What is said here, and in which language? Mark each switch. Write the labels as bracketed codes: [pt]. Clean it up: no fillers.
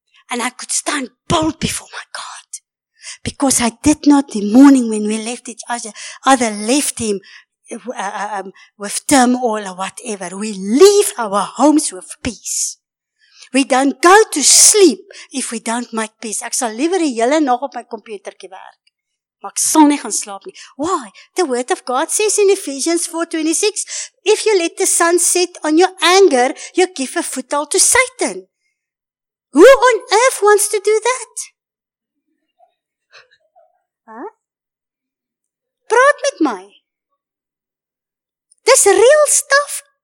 [en] And I could stand bold before my God. Because I did not, the morning when we left each other, left him with turmoil or whatever. We leave our homes with peace. We don't go to sleep if we don't make peace. [af] Ek sal liever die hele nag op my computertjie werk. Maar ek sal nie gaan slaap nie. [en] Why? The word of God says in Ephesians 4:26, if you let the sun set on your anger, you give a foothold to Satan. Who on earth wants to do that? [af] Praat met my. [en] This real stuff.